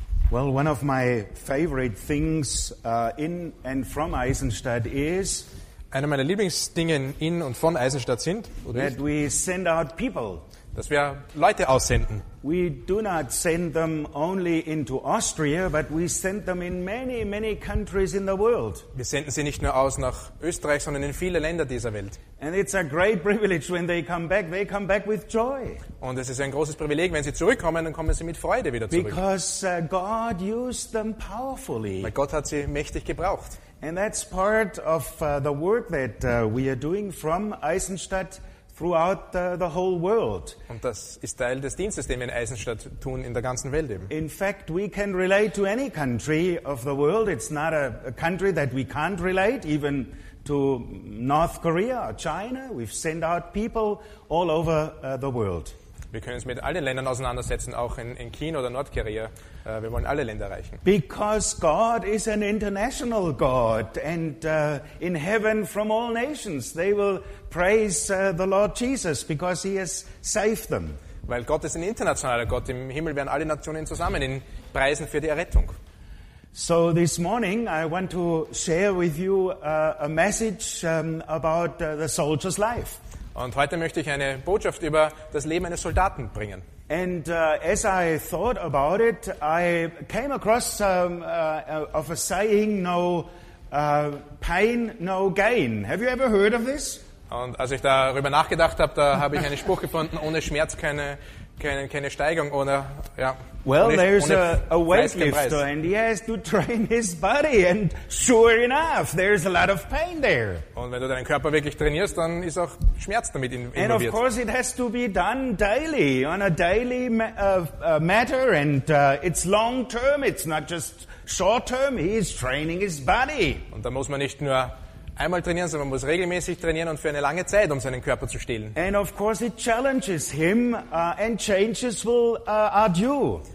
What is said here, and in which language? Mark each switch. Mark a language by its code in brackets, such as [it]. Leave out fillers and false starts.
[en] Well, one of my favorite things in and from Eisenstadt is [de] eine meiner Lieblingsdinge in und von Eisenstadt sind [en] that we send out people. [de] Dass wir Leute aussenden. [en] We do not send them only into Austria, but we send them in many, many countries in the world. [de] Wir senden sie nicht nur aus nach Österreich, sondern in viele Länder dieser Welt. [en] And it's a great privilege when they come back with joy. [de] Und es ist ein großes Privileg, wenn sie zurückkommen, dann kommen sie mit Freude wieder zurück. [en] Because God used them powerfully. [de] Weil Gott hat sie mächtig gebraucht. [en] And that's part of the work that we are doing from Eisenstadt throughout the whole world. [de] Und das ist Teil des Dienstes, den wir in Eisenstadt tun, in der ganzen Welt eben. [en] In fact, we can relate to any country of the world. It's not a country that we can't relate, even to North Korea or China. We've sent out people all over the world. [de] Wir können uns mit allen Ländern auseinandersetzen, auch in China oder Nordkorea. Wir wollen alle Länder erreichen. [en] Because God is an international God, and in heaven from all nations they will praise the Lord Jesus, because he has saved them. [de] Weil Gott ist ein internationaler Gott. Im Himmel werden alle Nationen zusammen ihn preisen für die Errettung. [en] So this morning I want to share with you a message about the soldier's life. [de] Und heute möchte ich eine Botschaft über das Leben eines Soldaten bringen. [en] And as I thought about it, I came across of a saying, no pain, no gain. Have you ever heard of this? [de] Und als ich darüber nachgedacht habe, da habe ich einen Spruch gefunden, ohne Schmerz keine Steigung, ohne, ja. [en] Well, [de] ohne, [en] there's ohne a weightlifter and he has to train his body, and sure enough, there's a lot of pain there. [de] Und wenn du deinen Körper wirklich trainierst, dann ist auch Schmerz damit involviert. [en] And of course it has to be done daily, on a daily matter, and it's long term, it's not just short term, he is training his body. [de] Und da muss man nicht nur einmal trainieren, sondern man muss regelmäßig trainieren und für eine lange Zeit, um seinen Körper zu stillen. [en] And of course it challenges him, and changes will are due.